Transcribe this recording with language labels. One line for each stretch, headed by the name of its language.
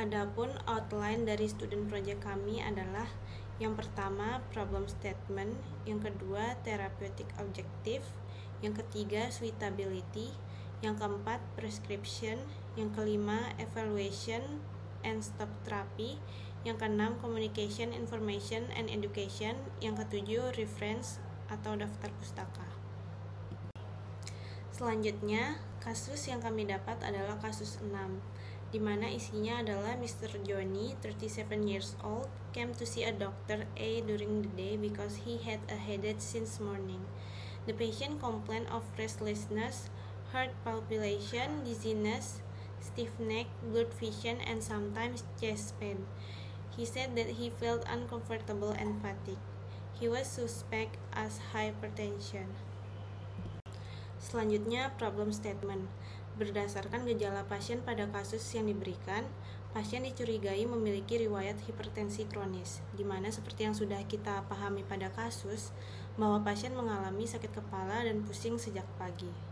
Indonesian: Adapun outline dari student project kami adalah yang pertama, problem statement, yang kedua, therapeutic objective, yang ketiga, suitability, yang keempat, prescription, yang kelima, evaluation and stop therapy, yang keenam, communication, information and education, yang ketujuh, reference atau daftar pustaka. Selanjutnya, kasus yang kami dapat adalah kasus 6, di mana isinya adalah Mr.
English: Johnny, 37 years old, came to see a doctor A during the day because he had a headache since morning. The patient complained of restlessness, heart palpitation, dizziness, stiff neck, blurred vision, and sometimes chest pain. He said that he felt uncomfortable and fatigued. He was suspect as hypertension.
Indonesian: Selanjutnya, problem statement. Berdasarkan gejala pasien pada kasus yang diberikan, pasien dicurigai memiliki riwayat hipertensi kronis, di mana seperti yang sudah kita pahami pada kasus, bahwa pasien mengalami sakit kepala dan pusing sejak pagi.